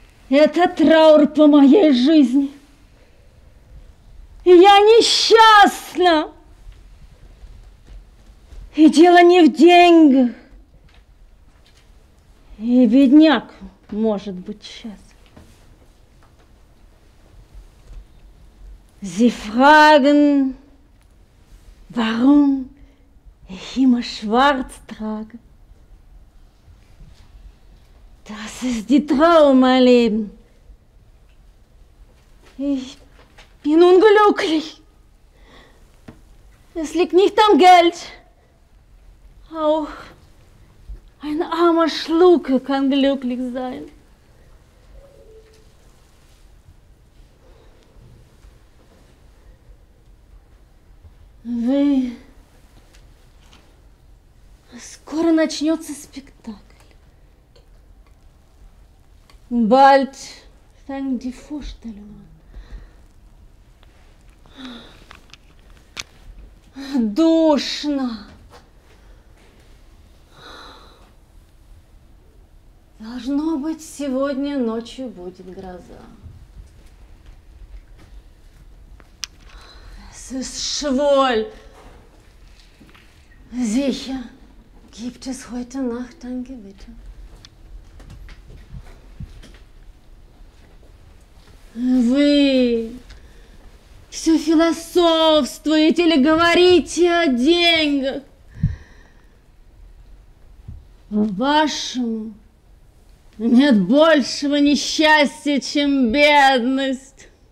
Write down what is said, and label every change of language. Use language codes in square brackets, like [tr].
[ru] Это траур по моей жизни. Я несчастна. И дело не в деньгах. И бедняк может быть счастлив. [de] Sie fragen, warum ich immer schwarz trage. Das ist die Trauer, mein Leben. Ich bin unglücklich. Es liegt nicht am Geld. Auch ein armer Schlucker kann glücklich sein. [ru] Вы... Скоро начнется спектакль. [de] Bald fängt die Vorstellung an. [ru] Душно. Должно быть, сегодня ночью будет гроза. [de] Es ist schwul. Sicher gibt es heute Nacht ein Gewitter. [ru] Вы все философствуете или говорите о деньгах. Вашему нет большего несчастья, чем бедность.